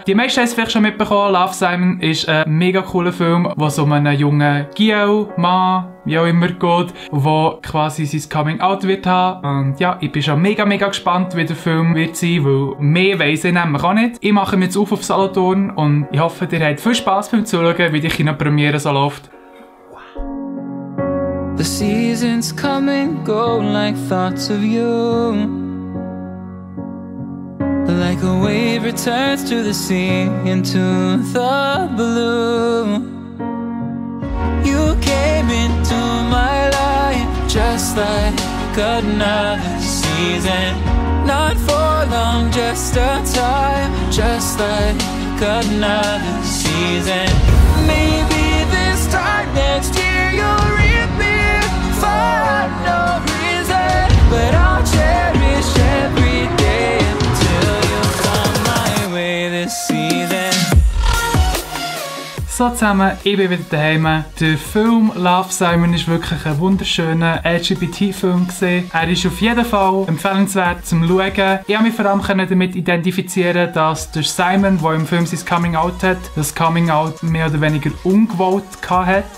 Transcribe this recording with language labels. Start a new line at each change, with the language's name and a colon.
German: Die meisten haben es vielleicht schon mitbekommen, Love, Simon ist ein mega cooler Film, wo es um einen jungen Giel, Mann, wie auch immer geht, wo quasi sein Coming-out wird haben. Und ja, ich bin schon mega, mega gespannt, wie der Film wird sein, weil mehr weiss ich nämlich auch nicht. Ich mache mich jetzt auf Solothurn und ich hoffe, ihr habt viel Spass beim Zuschauen, wie die Kinopremiere so läuft.
English: The seasons come and go like thoughts of you. Like a wave returns to the sea into the blue. You came into my life just like another season. Not for long, just a time, just like another season. Maybe this time next year you'll reappear for no reason, but I'll cherish every day until you come my way this season.
German: So zusammen, ich bin wieder daheim. Der Film Love, Simon war wirklich ein wunderschöner LGBT-Film. Er ist auf jeden Fall empfehlenswert zum Schauen. Ich konnte mich vor allem damit identifizieren, dass der Simon, der im Film sein Coming-out hat, das Coming-out mehr oder weniger ungewollt hatte.